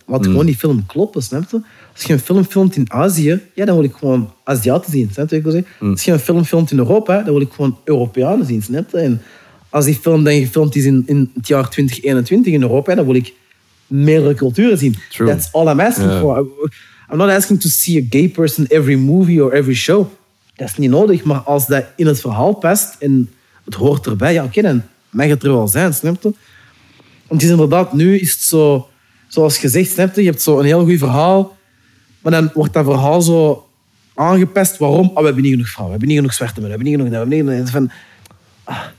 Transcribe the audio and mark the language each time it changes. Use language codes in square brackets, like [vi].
[nl] Wat gewoon die film kloppen, snap je? Als je een film filmt in Azië, ja, dan wil ik gewoon Aziaten zien, snap je? Als je een film filmt in Europa, dan wil ik gewoon Europeanen zien, snap je? En als die film dan gefilmd is in het jaar 2021 in Europa, dan wil ik meerdere culturen zien. [en] True. That's all I'm asking for. I'm not asking to see a gay person every movie or every show. [nl] Dat is niet nodig, maar als dat in het verhaal past en het hoort erbij, ja, oké, dan mag het er wel zijn, snap je? Want het is inderdaad, nu is het zo, zoals gezegd, snap je? Je hebt zo een heel goed verhaal, maar dan wordt dat verhaal zo aangepest. Waarom? Oh, we hebben niet genoeg vrouwen, we hebben niet genoeg zwarte mensen, we hebben niet genoeg dat, we hebben niet genoeg...